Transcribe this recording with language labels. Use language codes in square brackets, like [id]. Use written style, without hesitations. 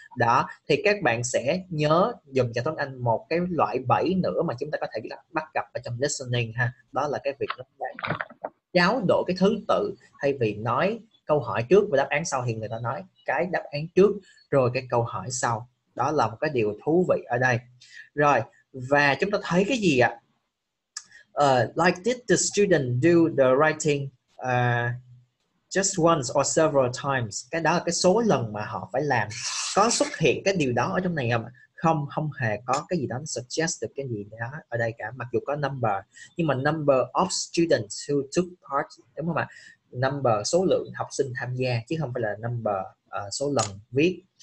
[vi] Đó, thì các bạn sẽ nhớ dùng cho tiếng Anh một cái loại 7 nữa mà chúng ta có thể bắt gặp ở trong listening ha. Đó là cái việc giáo đổi cái thứ tự, thay vì nói câu hỏi trước và đáp án sau thì người ta nói cái đáp án trước rồi cái câu hỏi sau. Đó là một cái điều thú vị ở đây. Rồi, và chúng ta thấy cái gì ạ? [en] Like did the student do the writing just once or several times? [vi] Cái đó là cái số lần mà họ phải làm. Có xuất hiện cái điều đó ở trong này không? Không, không hề có cái gì đó suggest được cái gì đó ở đây cả. Mặc dù có number, nhưng mà number of students who took part, đúng không ạ? Number, số lượng học sinh tham gia, chứ không phải là number, số lần viết.